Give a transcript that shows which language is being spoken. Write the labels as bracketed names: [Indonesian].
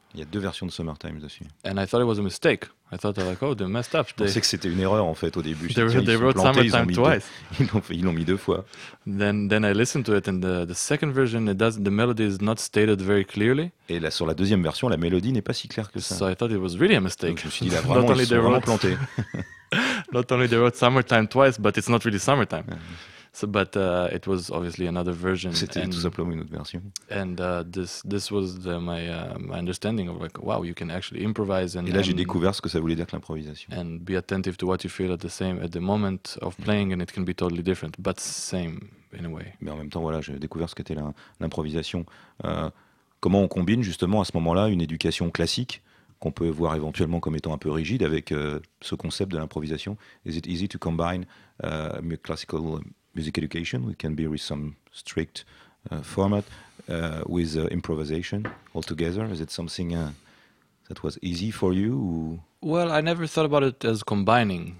[French] Il y a deux versions de Summertime dessus. [English] And I thought it was a mistake. I thought like, oh, they messed up. [French] Je pensais que c'était une erreur en fait au début. [English] They wrote Summertime twice. [French] Ils l'ont mis deux fois. [English] Then I listened to it, and the second version, the melody is not stated very clearly. [French] Et là, sur la deuxième version, la mélodie n'est pas si claire que ça. [English] So I thought it was really a mistake. [French] Donc, je me suis dit, ils sont vraiment plantés. [English] Not only they wrote Summertime twice, but it's not really Summertime. So, but it was obviously another version. [French] C'était tout simplement une autre version. [English] And this was my understanding of like, wow, you can actually improvise. [French] Et là, j'ai découvert ce que ça voulait dire que l'improvisation. [English] And be attentive to what you feel at the moment of playing, and it can be totally different, but same in a way. [French] Mais en même temps, voilà, j'ai découvert ce qu'était l'improvisation. Comment on combine justement à ce moment-là une éducation classique qu'on peut voir éventuellement comme étant un peu rigide avec ce concept de l'improvisation? [English] Is it easy to combine classical music education, we can be with some strict format, with improvisation altogether? Is it something that was easy for you? Well, I never thought about it as combining.